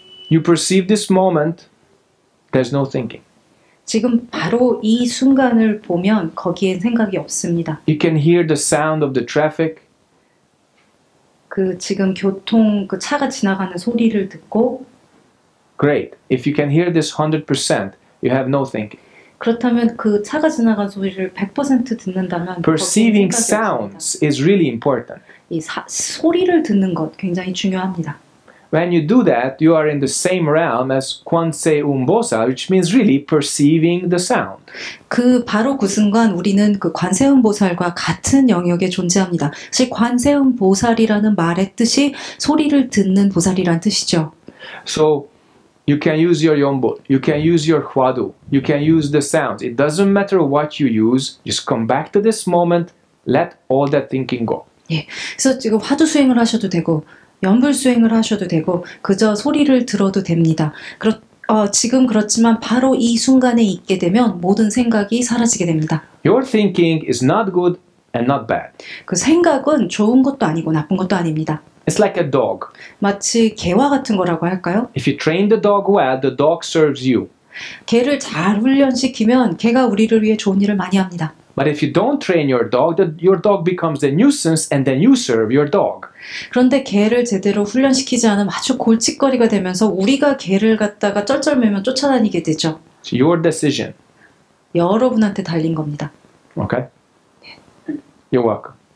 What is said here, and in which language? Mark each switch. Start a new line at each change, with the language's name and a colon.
English: You perceive this moment, there's no thinking.
Korean: 지금 바로 이 순간을 보면 거기엔 생각이 없습니다.
English: You can hear the sound of the traffic.
Korean: 그 지금 교통, 그 차가 지나가는 소리를 듣고
English: Great. If you can hear this 100%, you have no thinking.
Korean: 그렇다면 그 차가 지나간 소리를 100% 듣는다면
English: Perceiving sounds is really important.
Korean: 이 소리를 듣는 것 굉장히 중요합니다.
English: When you do that, you are in the same realm as Kwanse Umbosa, which means really perceiving the sound.
Korean: 그 바로 그 순간 우리는 그 관세음보살과 같은 영역에 존재합니다. 사실 관세음보살이라는 말의 뜻이 소리를 듣는 보살이란 뜻이죠.
English: So you can use your yombo, you can use your huadu, you can use the sounds. It doesn't matter what you use. Just come back to this moment. Let all that thinking go.
Korean: 예, 그래서 지금 화두 수행을 하셔도 되고. 연불 수행을 하셔도 되고 그저 소리를 들어도 됩니다. 지금 그렇지만 바로 이 순간에 있게 되면 모든 생각이 사라지게 됩니다.
English: Your thinking is not good and not bad.
Korean: 그 생각은 좋은 것도 아니고 나쁜 것도 아닙니다.
English: It's like a dog.
Korean: 마치 개와 같은 거라고 할까요?
English: If you train the dog well, the dog serves you.
Korean: 개를 잘 훈련시키면 개가 우리를 위해 좋은 일을 많이 합니다.
English: But if you don't train your dog, your dog becomes a nuisance and then you serve your dog.
Korean: 그런데 개를 제대로 훈련시키지 않으면 아주 골칫거리가 되면서 우리가 개를 갖다가 쩔쩔매면 쫓아다니게 되죠.
English: It's your decision.
Korean: 여러분한테 달린 겁니다.
English: Okay. You're welcome.